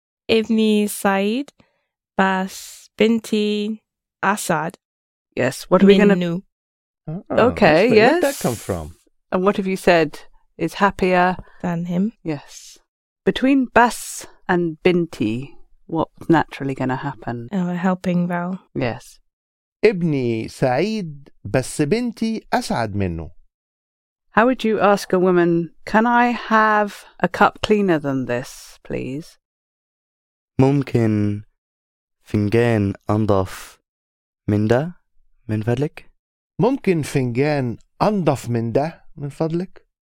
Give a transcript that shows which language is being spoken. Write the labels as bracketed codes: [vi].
[ar] ابني سعيد بس بنتي أسعد. [en] Yes, what are we going to... Oh, okay, yes. Where did that come from? And what have you said is happier... Than him. Yes. Between Bas and Binti, what's naturally going to happen? Oh, a helping vowel. Yes. [ar] ابني سعيد بس بنتي أسعد منه. [en] How would you ask a woman, can I have a cup cleaner than this, please? [ar] ممكن فنجان أنظف من ده من فضلك؟ ممكن فنجان أنظف من ده من فضلك؟